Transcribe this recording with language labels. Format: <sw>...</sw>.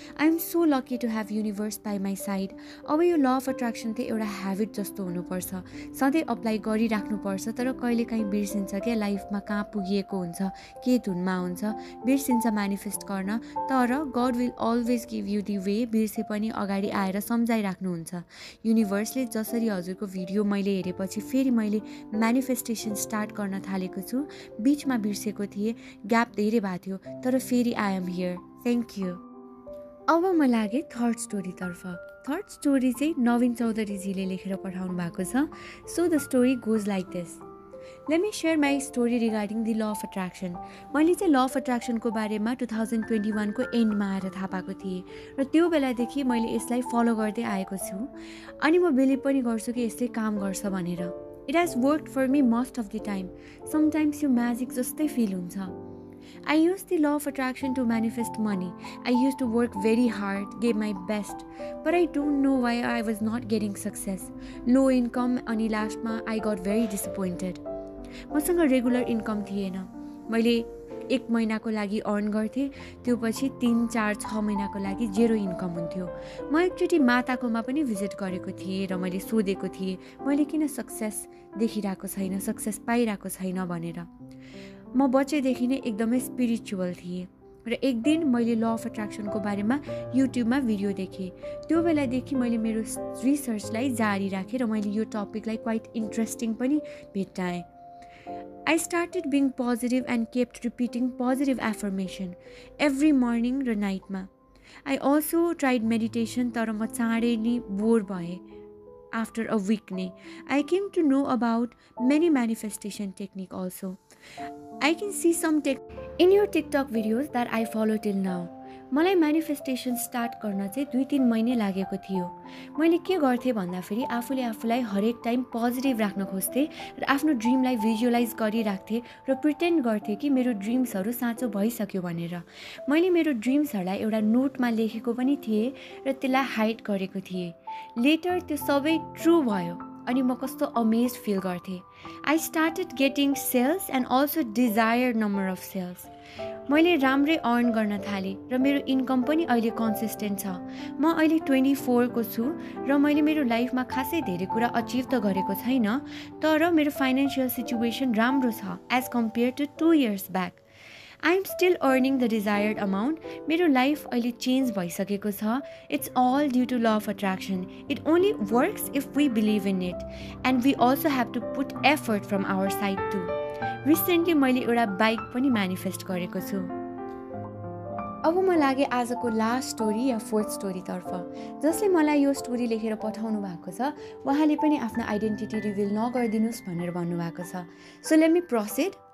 <en>I am so lucky to have universe by my side.</en> <ne>अब यो law of attraction चाहिँ एउटा habit जस्तो हुनुपर्छ, सधैँ अप्लाई गरिराख्नुपर्छ. तर कहिलेकाहीँ बिर्सिन्छ क्या, लाइफमा कहाँ पुगिएको हुन्छ, के धुनमा हुन्छ, बिर्सिन्छ मेनिफेस्ट गर्न.</ne> <en>तर God will always give you the way.</en> <ne>बिर्से पनि अगाडि आएर सम्झाइराख्नुहुन्छ युनिभर्सले. जसरी हजुरको भिडियो मैले हेरेपछि फेरि मैले मेनिफेस्टेसन स्टार्ट गर्न थालेको छु. बिचमा बिर्सेको थिएँ, ग्याप धेरै भएको थियो, तर फेरि</ne> <en>I am here. Thank you.</en> <ne>अब म लागेँ थर्ड स्टोरीतर्फ. थर्ड स्टोरी चाहिँ नवीन चौधरीजीले लेखेर पठाउनु भएको छ.</ne> <en>So the story goes like this. Let me share my story regarding the law of attraction.</en> <ne>मैले चाहिँ ल अफ अट्र्याक्सनको बारेमा 2021 को एन्डमा आएर थाहा पाएको थिएँ, र त्यो बेलादेखि मैले यसलाई फलो गर्दै आएको छु. अनि म बिलिभ पनि गर्छु कि यसले काम गर्छ भनेर.</ne> <en>It has worked for me most of the time.</en> <ne>Sometimes यो म्याजिक जस्तै फिल हुन्छ.</ne> <en>I used the law of attraction to manifest money. I used to work very hard, gave my best, but I don't know why I was not getting success. Low income</en> <ne>ani</ne> <en>last</en> <ne>ma</ne> <en>I got very disappointed.</en> <ne>Masanga regular income thiyena. Maile ek mahina ko lagi earn garthe, tyo pachi 3-4-6 mahina ko lagi zero income hunthyo. Ma ekchoti mata ko ma pani visit gareko thie ra maile sodeko thie maile kina success dekhirako chaina, success pairako chaina bhanera. म बच्चैदेखि नै एकदमै spiritual थिएँ, र एक दिन मैले law of अट्र्याक्सनको बारेमा युट्युबमा भिडियो देखेँ. त्यो बेलादेखि मैले मेरो रिसर्चलाई जारी राखेँ, र मैले यो टपिकलाई</ne> <en>quite interesting</en> <ne>पनि भेट्टाएँ.</ne> <en>I started being positive and kept repeating positive affirmation every morning र नाइटमा. I also tried meditation,</en> <ne>तर म चाँडै नै बोर भएँ.</ne> <en>After a week nay, I came to know about many manifestation technique also. I can see some in your TikTok videos that I follow till now.</en> <ne>मलाई manifestation start गर्न चाहिँ 2-3 महिना लागेको थियो. मैले के गर्थेँ भन्दाखेरि आफूले आफूलाई हरेक टाइम पोजिटिभ राख्न खोज्थेँ, र आफ्नो ड्रिमलाई भिजुअलाइज गरिराख्थेँ, र प्रिटेन्ड गर्थेँ कि मेरो ड्रिम्सहरू साँचो भइसक्यो भनेर. मैले मेरो ड्रिम्सहरूलाई एउटा नोटमा लेखेको पनि थिएँ, र त्यसलाई हाइड गरेको थिएँ. लेटर त्यो सबै ट्रु भयो, अनि म कस्तो अमेज्ड फिल गर्थेँ.</ne> <en>I started getting sales and also desire number of sales.</en> <ne>मैले राम्रै अर्न गर्न थालेँ, र मेरो इन्कम पनि अहिले कन्सिस्टेन्ट छ. म अहिले 24 छु, र मैले मेरो लाइफमा खासै धेरै कुरा अचिभ त गरेको छैन, तर मेरो फाइनेन्सियल सिचुएसन राम्रो छ</ne> <en>As compare to 2 back. I am still earning the desired amount.</en> <ne>मेरो लाइफ अहिले चेन्ज भइसकेको छ.</ne> <en>It's all due to law of attraction. It only works if we believe in it, and we also have to put effort from our side too.</en> <ne>Recently मैले एउटा bike पनि manifest गरेको छु. अब म लागेँ आजको लास्ट स्टोरी या fourth स्टोरीतर्फ. जसले मलाई यो स्टोरी लेखेर पठाउनु भएको छ, उहाँले पनि आफ्नो आइडेन्टिटी रिभिल नगरिदिनुहोस् भनेर भन्नुभएको छ.</ne> <en>So let me proceed.</en>